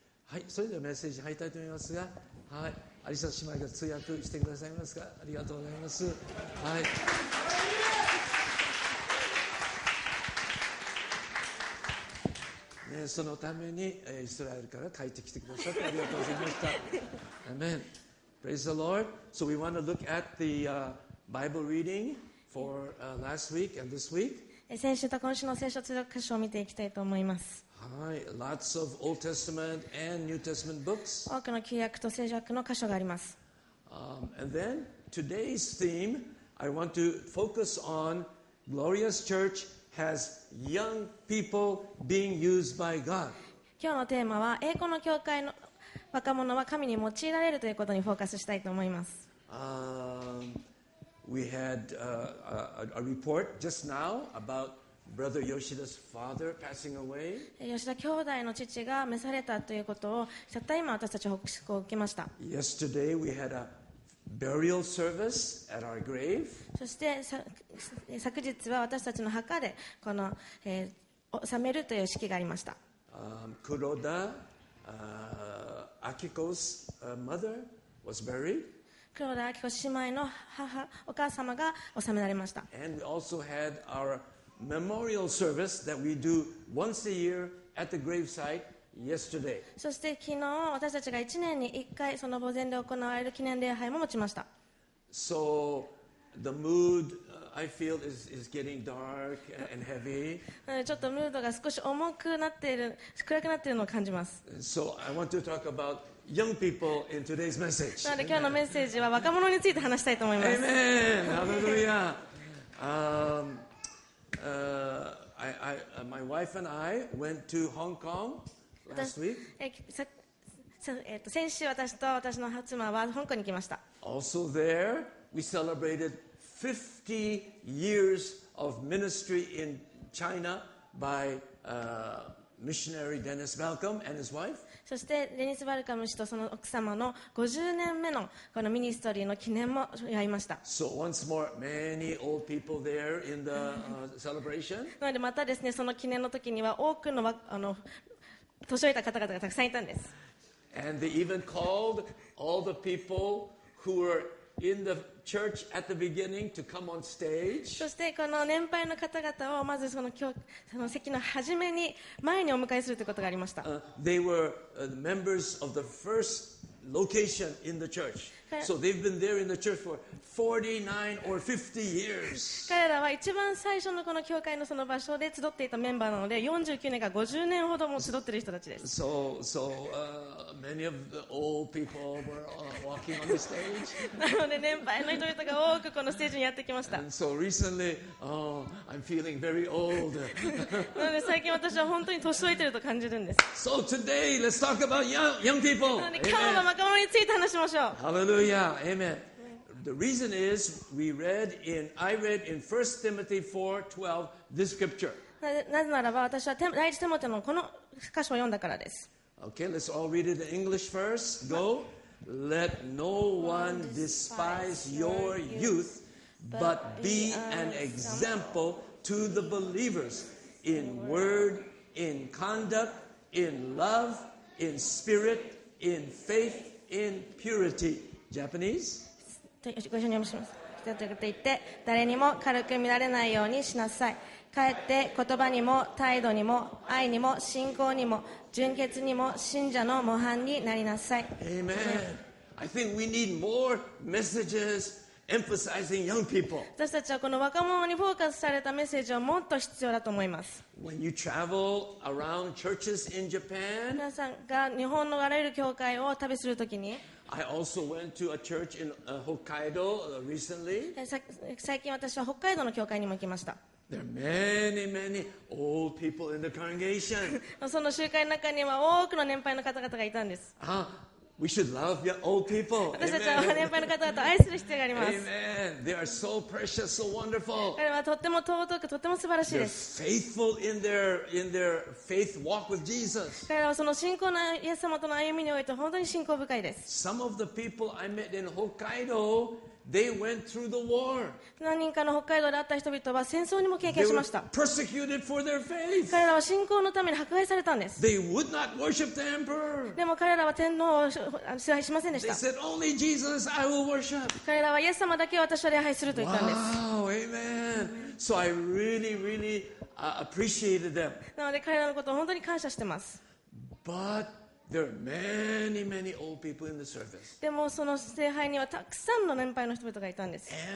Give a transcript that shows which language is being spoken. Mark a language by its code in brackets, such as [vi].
[ja] はい、それではメッセージ入りたいと思いますが、はい、有沙姉妹が通訳してくださいますか。ありがとうございます。はい、ね、そのために、イスラエルから帰ってきてくださってありがとうございました。アーメン。 [en] Praise the Lord. So we want to look at the Bible reading for last week and this week. [ja] 先週と今週の聖書通訳書を見ていきたいと思います。はい、 [en] lots of Old Testament and New Testament books. [ja] 多くの旧約と聖書の箇所があります。 [en] And then today's theme, I want to focus on Glorious Church has young people being used by God. [ja] 今日のテーマは栄光の教会の若者は神に用いられるということにフォーカスしたいと思います。 [en] We had a report just now about Brother Yoshida's father passing away. [ja] 吉田兄弟の父が召されたということをたった今私たちは報告を受けました。 [en] Yesterday we had a burial service at our grave. [ja] そして昨日は私たちの墓でこの、納めるという式がありました。 [en] 黒田Akiko's mother was buried. [ja] 黒田明子姉妹の母お母様が納められました。 [en] And we also had our memorial service that we do once a year at the gravesite yesterday. [ja] そして昨日私たちが1年に1回その墓前で行われる記念礼拝も持ちました。 [en] So the mood I feel is getting dark and heavy. [ja] ちょっとムードが少し重くなっている、暗くなっているのを感じます。 [en] So I want to talk about young people in today's message. なので今日のメッセージは若者について話したいと思います。 Amen. Hallelujah. My wife and I went to Hong Kong last week. [ja] 先週私と私の妻は香港に行きました。 [en] Also there, we celebrated 50 years of ministry in China by missionary Dennis Malcolm and his wife. [ja] そしてデニス・バルカム氏とその奥様の50年目のこのミニストリーの記念も祝いました。 [en] So once more, many old people there in the celebration. [ja] なのでまたですね、その記念の時には多くの年老いた方々がたくさんいたんです。 [en] And they even called all the people who were in the church at the beginning to come on stage. [ja] そしてこの年配の方々をまずその席の初めに前にお迎えするということがありました。 [en] They were members of the first location in the church. So they've been there in the church for 49 or 50 years. [ja] 彼らは一番最初のこの教会のその場所で集っていたメンバーなので、49年か50年ほども集っている人たちです。 [en] Many of the old people were walking on the stage. [ja] なので年配の人々が多くこのステージにやってきました。 [en] And so recently, I'm feeling very old. [ja] なので最近私は本当に年老いてると感じるんです。 [en] So today, let's talk about young people. [ja] なので今日の若者について話しましょう。 [en] Hallelujah. Amen. The reason is I read in 1 Timothy 4:12 this scripture. なぜならば私は第一テモテのこの箇所を読んだからです。 Okay, let's all read it in English first. Go. Let no one despise your youth, but be an example to the believers in word, in conduct, in love, in spirit, in faith, in purity. Japanese? [ja] ご一緒に読みします。人と言って、誰にも軽く見られないようにしなさい。かえって言葉にも態度にも愛にも信仰にも純潔にも信者の模範になりなさい。 [en] Amen. I think we need more messages emphasizing young people. [ja] 私たちはこの若者にフォーカスされたメッセージはもっと必要だと思います。 [en] When you travel around churches in Japan, [ja] 皆さんが日本のあらゆる教会を旅するときに、 [en] I also went to a church in Hokkaido recently. [ja] 最近私は北海道の教会にも行きました。 [en] There are many, many old people in the congregation. [ja] その集会の中には多くの年配の方々がいたんです。 [en] We should love old people. [ja] 私たちは年配の方々を愛する必要があります。 [en] Amen. They are so precious, so wonderful. [ja] 彼はとっても尊く、とても素晴らしいです。 [en] They're faithful in their faith walk with Jesus. [ja] 彼はその信仰のイエス様との歩みにおいて本当に信仰深いです。 [en] Some of the people I met in Hokkaido. They went through the war. [ja] 何人かの北海道で会った人々は戦争にも経験しました。 [en] They were persecuted for their faith. [ja] 彼らは信仰のために迫害されたんです。 [en] They would not worship the emperor. [ja] でも彼らは天皇を崇拝しませんでした。 [en] They said, Only Jesus I will worship. [ja] 彼らはイエス様だけを私は礼拝すると言ったんです。 [en] Wow, amen. So I really, really appreciated them. [ja] なので彼らのことを本当に感謝してます。 [en] ButThere are many, many old people in the service. [ja] でもその礼拝にはたくさんの年配の人々がいたんです。